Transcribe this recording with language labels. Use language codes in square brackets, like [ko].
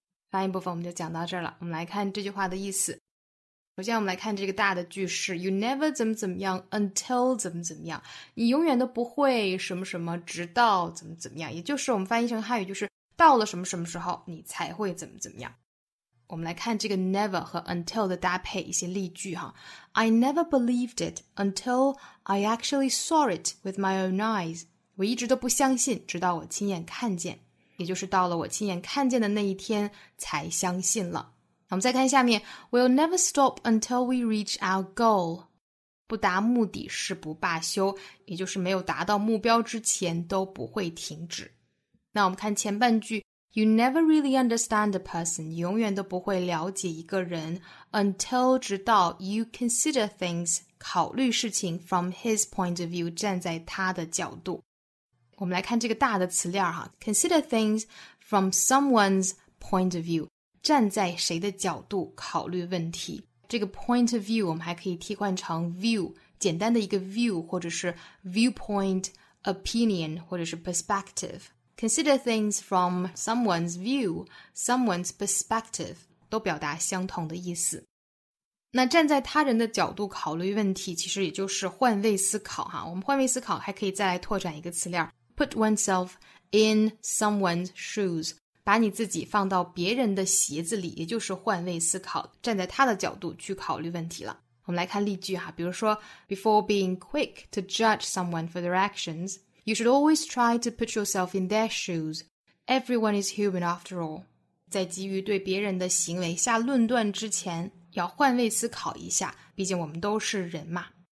[zh] 发音部分我们就讲到这儿了。我们来看这句话的意思。首先我们来看这个大的句式 You never 怎么怎么样 until 怎么怎么样。你永远都不会什么什么直到怎么怎么样。也就是我们翻译成汉语就是到了什么什么时候你才会怎么怎么样。我们来看这个 never 和 until 的搭配一些例句哈。 [en] I never believed it until I actually saw it with my own eyes. [zh] 我一直都不相信直到我亲眼看见也就是到了我亲眼看见的那一天才相信了我们再看下面 [en] We'll never stop until we reach our goal [zh] 不达目的誓不罢休也就是没有达到目标之前都不会停止那我们看前半句 [en] You never really understand a person [zh] 你永远都不会了解一个人 Until 直到 [en] you consider things [zh] 考虑事情 [en] from his point of view [zh] 站在他的角度 [en] 我们来看这个大的词链哈 Consider things from someone's point of view [zh] 站在谁的角度考虑问题。这个 point of view 我们还可以替换成 view, 简单的一个 view, 或者是 viewpoint, opinion, 或者是 perspective. [en] Consider things from someone's view, someone's perspective, [zh] 都表达相同的意思。那站在他人的角度考虑问题其实也就是换位思考哈。我们换位思考还可以再来拓展一个词链 , [en] put oneself in someone's shoes. [zh] 把你自己放到别人的鞋子里也就是换位思考站在他的角度去考虑问题了我们来看例句哈比如说 [en] Before being quick to judge someone for their actions You should always try to put yourself in their shoes Everyone is human after all [zh] 在急于对别人的行为下论断之前要换位思考一下毕竟我们都是人嘛